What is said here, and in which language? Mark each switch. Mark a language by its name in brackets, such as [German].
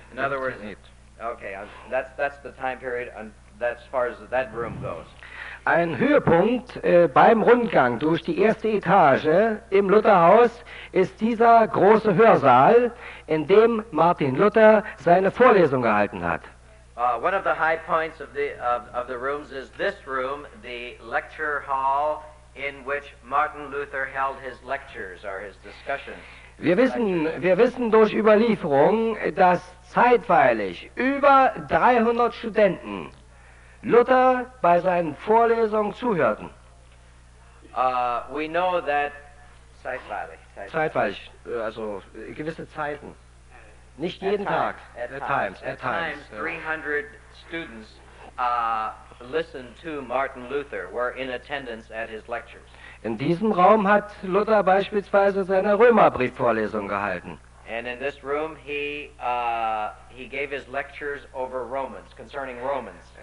[English] In other words, okay, that's the time period as far as that room goes. [German] Ein Höhepunkt beim Rundgang durch die erste Etage im Lutherhaus ist dieser große Hörsaal, in dem Martin Luther seine Vorlesung gehalten hat. [English] One of the high points of the rooms is this room, the lecture hall, in which Martin Luther held his lectures or his discussions. [German] Wir wissen durch Überlieferung, dass zeitweilig über 300 Studenten Luther bei seinen Vorlesungen zuhörten. [English] We know that zeitweilig, [German] also gewisse Zeiten. Nicht jeden Tag. [English] At times. 300 students listened to Martin Luther, were in attendance at his lectures. [German] In diesem Raum hat Luther beispielsweise seine Römerbriefvorlesung gehalten. [English] And in this room he gave his lectures over Romans, concerning Romans.